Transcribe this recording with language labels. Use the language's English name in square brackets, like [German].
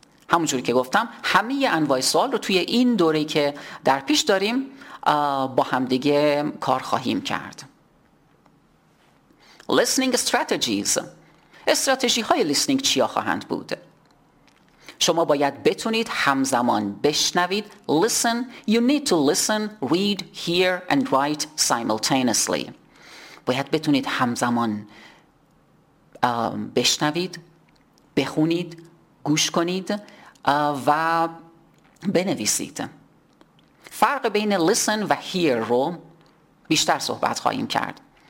[Persian] همونجوری که گفتم همه انواع سوال رو توی این دوره که در پیش داریم با همدیگه کار خواهیم کرد. لیسنینگ استراتژیز. استراتژی های لیسنینگ چیا خواهند بود؟ شما باید بتونید همزمان بشنوید. [English] Listen. You need to listen, read, hear and write simultaneously. [Persian] باید بتونید همزمان بشنوید، بخونید، گوش کنید و بنویسید. فرق بین listen و hear رو بیشتر صحبت خواهیم کرد.